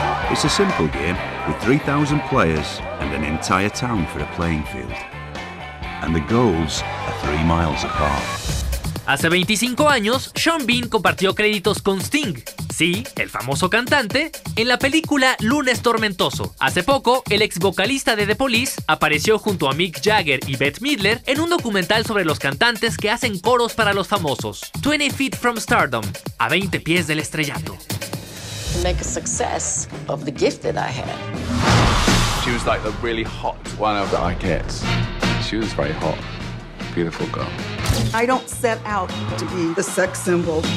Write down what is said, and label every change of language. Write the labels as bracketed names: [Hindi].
[English] It's a simple game with 3,000 players and an entire town for a playing field. And the goals are 3 miles apart. [Spanish] Hace 25 años, Sean Bean compartió créditos con Sting, sí, el famoso cantante, en la película Lunes Tormentoso. Hace poco, el ex vocalista de The Police apareció junto a Mick Jagger y Bette Midler en un documental sobre los cantantes que hacen coros para los famosos, 20 Feet from Stardom, a 20 pies del estrellato. [English] Make a success of the gift that I had. She was like the really hot one of the kids. She was very hot. Beautiful girl. I don't set out to be the sex symbol.